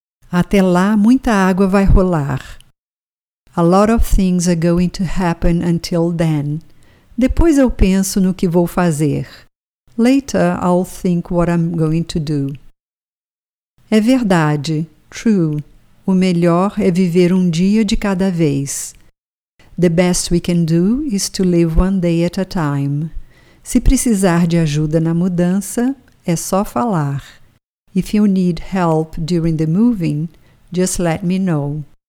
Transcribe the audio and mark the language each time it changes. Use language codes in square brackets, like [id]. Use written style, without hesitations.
[pt] Até lá, muita água vai rolar. [en] A lot of things are going to happen until then. [pt] Depois eu penso no que vou fazer. [en] Later, I'll think what I'm going to do. [pt] É verdade. [en] True. [pt] O melhor é viver um dia de cada vez. [en] The best we can do is to live one day at a time. [pt] Se precisar de ajuda na mudança, é só falar. [en] If you need help during the moving, just let me know.